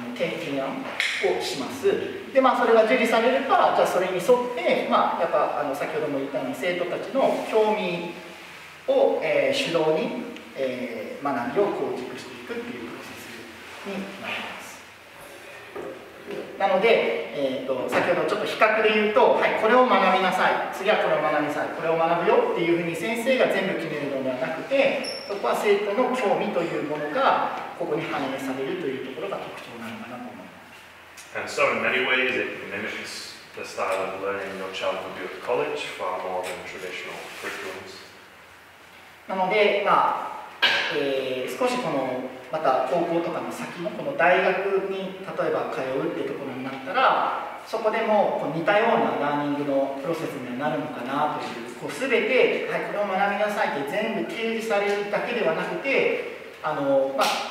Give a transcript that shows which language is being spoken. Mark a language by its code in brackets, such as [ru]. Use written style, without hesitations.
[ja] 提案をします。で、まあ、それが受理されれば、じゃあそれに沿って、まあ、やっぱ先ほども言ったように生徒たちの興味を、主導に、学びを構築していくというプロセスになります。なので、先ほどちょっと比較で言うと、はい、これを学びなさい、次はこれを学びなさい、これを学ぶよっていうふうに先生が全部決めるのではなくて、そこは生徒の興味というものがここに反映されるというところが特徴なのかなと思います。 [en] And so in many ways it mimics the style of learning your child would do at college far more than traditional curriculums. [ja] なので、まあ少しこのまた高校とかの先のこの大学に例えば通うっていうところになったら、そこでもこう似たようなラーニングのプロセスにはなるのかなという、こう全て、はい、これを学びなさいって全部提示されるだけではなくて、まあ、例えば大